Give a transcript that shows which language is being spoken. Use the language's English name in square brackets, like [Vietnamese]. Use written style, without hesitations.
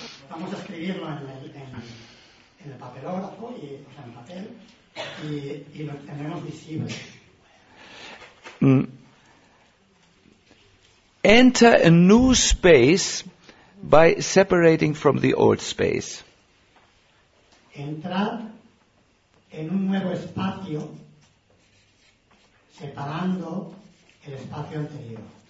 [Spanish] Vamos a escribirlo en el papelógrafo y, o sea, en papel y lo tendremos visible. [English] Enter a new space by separating from the old space. [Spanish] Entrar en un nuevo espacio separando el espacio anterior.